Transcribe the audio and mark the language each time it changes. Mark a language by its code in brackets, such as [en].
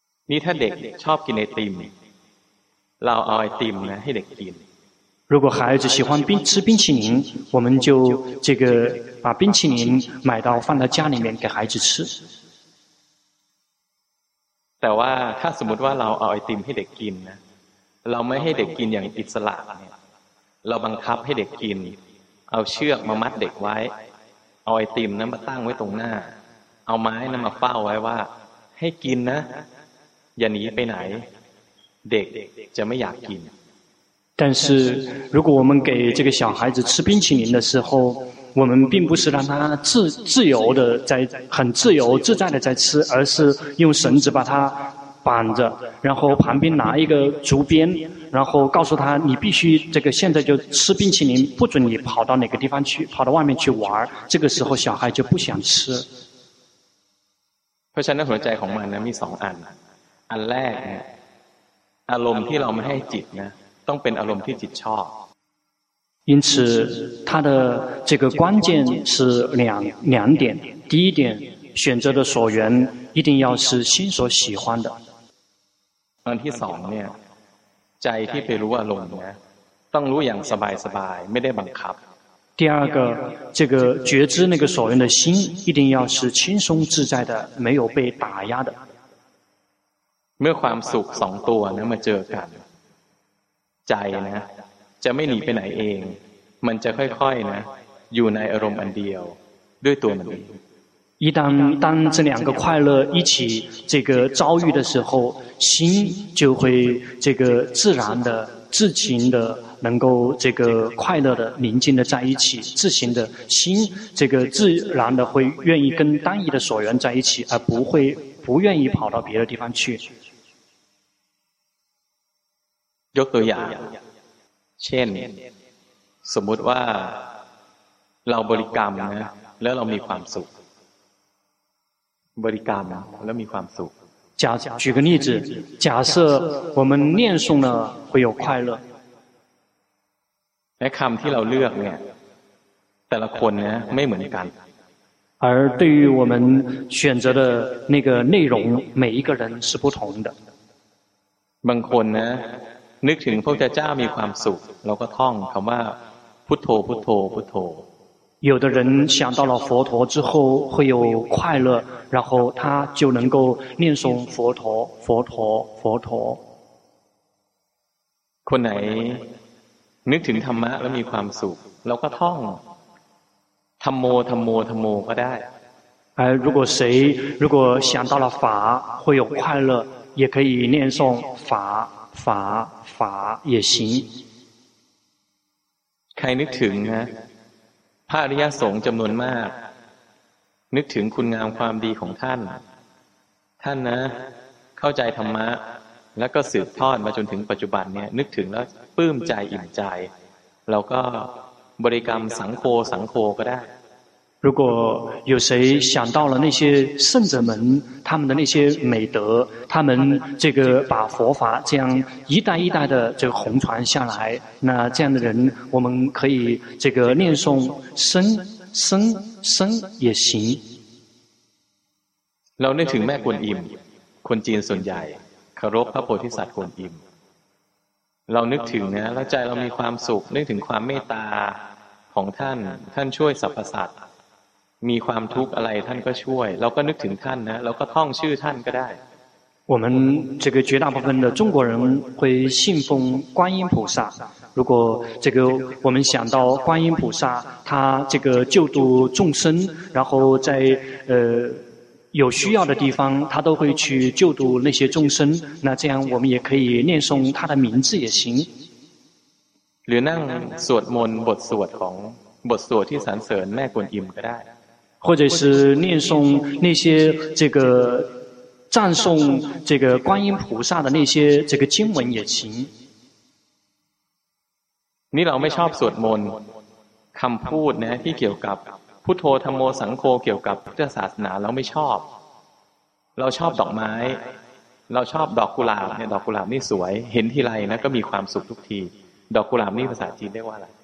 [th] นี่ถ้าเด็กชอบกินไอติมเราเอาไอติมนะให้เด็กกิน [zh] 如果孩子喜欢吃冰淇淋我们就这个把冰淇淋买到放到家里面给孩子吃 [th] แต่ว่าถ้าสมมติว่าเราเอาไอติมให้เด็กกินนะเราไม่ให้เด็กกินอย่างอิสระเนี่ยเราบังคับให้เด็กกินเอาเชือกมามัดเด็กไว้เอาไอติมนั้นมาตั้งไว้ตรงหน้าเอาไม้นั้นมาเฝ้าไว้ว่าให้กินนะอย่าหนีไปไหนเด็กจะไม่อยากกิน [zh] 但是如果我们给这个小孩子吃冰淇淋的时候我们并不是让他 自由的在很自由自在的在吃而是用绳子把他绑着然后旁边拿一个竹鞭然后告诉他你必须这个现在就吃冰淇淋不准你跑到哪个地方去跑到外面去玩这个时候小孩就不想吃 [th] ราะฉะนั้นหัวใจของมันนะมีสองอันอันแรกเนี่ยอารมณ์ที่เราไม่ให้จิตนะต้องเป็นอารมณ์ที่จิตชอบ [zh] 因此它的这个关键是两点第一点选择的所缘一定要是心所喜欢的 [th] อันที่สองเนี่ยใจที่ไปรู้อารมณ์นะต้องรู้อย่างสบายสบายไม่ได้บังคับ [zh] 第二个这个觉知那个所缘的心一定要是轻松自在的没有被打压的 [th] เมื่อความสุขสองตัวนั้นมาเจอกันใจนะจะไม่หนีไปไหนเองมันจะค่อยๆนะอยู่ในอารมณ์อันเดียวด้วยตัวมันเอง [zh] 一旦当这两个快乐一起这个遭遇的时候心就会这个自然的自行的能够这个快乐的宁静的在一起自行的心这个自然的会愿意跟单一的所缘在一起而不会不愿意跑到别的地方去 [th] ยกตัวอย่างเช่นสมมุติว่าเราบริกรรมนะแล้วเรามีความสุขบริกรรมแล้วมีความสุข [zh] 假举个例子假设我们念诵了会有快乐 [th] และคำที่เราเลือกเนี่ยแต่ละคนเนี่ยไม่เหมือนกัน [zh] 而对于我们选择的那个内容每一个人是不同的 [th] บางคนนะนึกถึงพระพุทธเจ้ามีความสุขเราก็ท่องคำว่าพุทโธพุทโธพุทโธ [zh] 有的人想到了佛陀之后会有快乐然后他就能够念诵佛陀佛陀佛陀 [th] คนไหนนึกถึงธรรมะแล้วมีความสุขเราก็ท่องธรรมโมธรรมโมธรรมโมก็ได้ [zh] 哎如果谁如果想到了法会有快乐也可以念诵法法法也行 [th] ใครนึกถึงนะพระอริยสงฆ์จำนวนมากนึกถึงคุณงามความดีของท่านท่านนะเข้าใจธรรมะแล้วก็สืบทอดมาจนถึงปัจจุบันเนี่ยนึกถึงแล้วปลื้มใจอิ่มใจแล้วก็บริกรรมสังโฆสังโฆก็ได้ [zh] 如果有谁想到了那些圣者们他们的那些美德他们这个把佛法这样一代一代的这个弘传下来那这样的人我们可以这个念诵生生生也行 [th] เรานึกถึงแม่กวนอิมคนจีนส่วนใหญ่เคารพพระโพธิสัตว์กวนอิมเรานึกถึงนะแล้วใจเรามีความสุขนึกถึงความเมตตาของท่านท่านช่วยสรรพสัตว์มีความทุกข์อะไรท่านก็ช่วยเราก็นึกถึงท่านนะเราก็ท่องชื่อท่านก็ได้ [zh] 我们这个绝大部分的中国人会信奉观音菩萨如果这个我们想到观音菩萨他这个救度众生然后在有需要的地方他都会去救度那些众生那这样我们也可以念诵他的名字也行 [th] หรือนั่งสวดมนต์บทสวดของบทสวดที่สรรเสริญแม่กวนอิมก็ได้ [zh] 或者是念诵那些这个赞颂这个观音菩萨的那些这个经文也行 [th] นี่เราไม่ชอบสวดมนต์คำพูดนะที่เกี่ยวกับพุทโธธัมโมสังโฆเกี่ยวกับพุทธศาสนาเราไม่ชอบเราชอบดอกไม้เราชอบดอกกุหลาบเนี่ยดอกกุหลาบนี่สวยเห็นทีไรนะก็มีความสุขทุกทีดอกกุหลาบนี่ภาษาจีนเรียกว่าอะไร